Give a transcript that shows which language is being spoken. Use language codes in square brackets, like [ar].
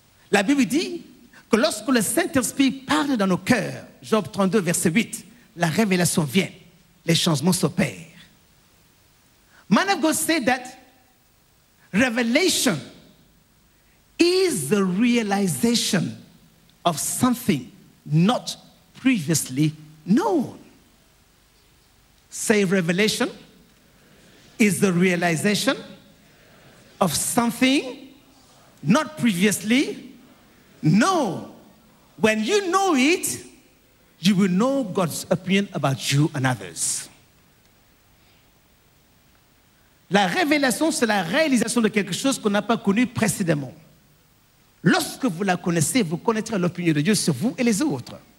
[fr] La Bible dit que lorsque le Saint-Esprit parle dans nos cœurs, Job 32 verset 8, la révélation vient, les changements s'opèrent. [en] Man of God said that revelation is the realization of something not previously known. Say, revelation is the realization of something not previously known. When you know it, you will know God's opinion about you and others. [fr] La révélation, c'est la réalisation de quelque chose qu'on n'a pas connu précédemment. Lorsque vous la connaissez, vous connaîtrez l'opinion de Dieu sur vous et les autres.